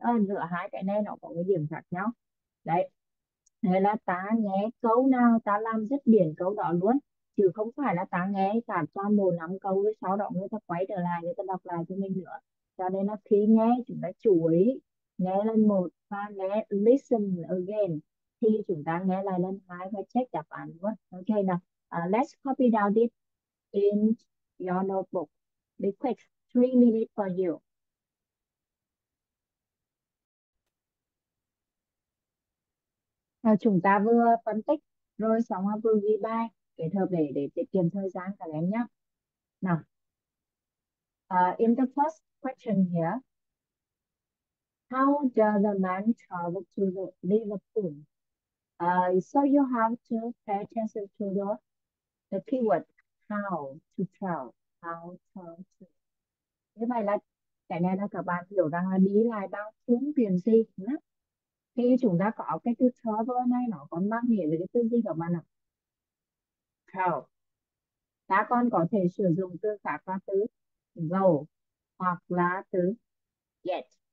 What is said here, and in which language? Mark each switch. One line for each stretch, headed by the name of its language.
Vietnamese: Nữa hai cái này nó có cái điểm khác nhau đấy. Thế là ta nghe câu nào ta làm dứt điểm câu đó luôn, chứ không phải là ta nghe cả toàn bộ năm câu với sáu đoạn người ta quay trở lại người ta đọc lại cho mình nữa. Cho nên là khi nghe chúng ta chú ý nghe lần một và nghe
English: listen again
Vietnamese: thì chúng ta nghe lại lần hai và check đáp án luôn.
English: Ok nào, let's copy down this in your notebook. Be quick, 3 minutes for you.
Vietnamese: Chúng ta vừa phân tích rồi xong rồi vừa ghi bài kết hợp để tiết kiệm thời gian cả em nhé.
English: Nào, in the first question here, how does a man travel to Liverpool? So you have to pay attention to the keyword how to travel. How travel to.
Vietnamese: Như vậy là cái này là các bạn hiểu rằng là đi lại bằng phương tiện gì nhá. Khi chúng ta có cái từ travel này nó còn mang nghĩa về cái từ gì các bạn ạ? Travel. Ta còn có thể sử dụng từ khác là từ go hoặc là từ get.